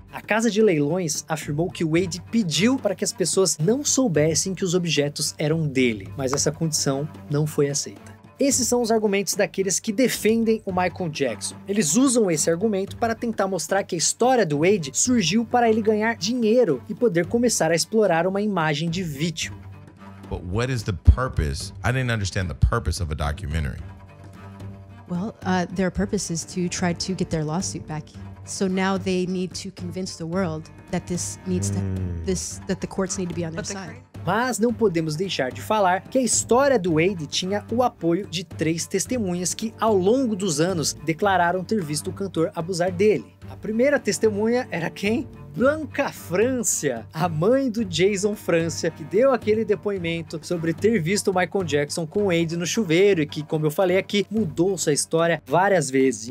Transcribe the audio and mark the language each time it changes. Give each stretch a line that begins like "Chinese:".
Portuguese: A casa de leilões afirmou que Wade pediu para que as pessoas não soubessem que os objetos eram dele, mas essa condição não foi aceita. Esses são os argumentos daqueles que defendem o Michael Jackson. Eles usam esse argumento para tentar mostrar que a história do Wade surgiu para ele ganhar dinheiro e poder começar a explorar uma imagem de vítima.
English: But what is the purpose? I didn't understand the purpose of a documentary. Well, their purpose is to try to get their lawsuit back. So now they need to convince the world that this needs to, this that the courts need to be on their side.
Portuguese: Mas não podemos deixar de falar que a história do Wade tinha o apoio de três testemunhas que, ao longo dos anos, declararam ter visto o cantor abusar dele. A primeira testemunha era quem? Blanca França, a mãe do Jason França, que deu aquele depoimento sobre ter visto o Michael Jackson com o Wade no chuveiro e que, como eu falei aqui, mudou sua história várias vezes.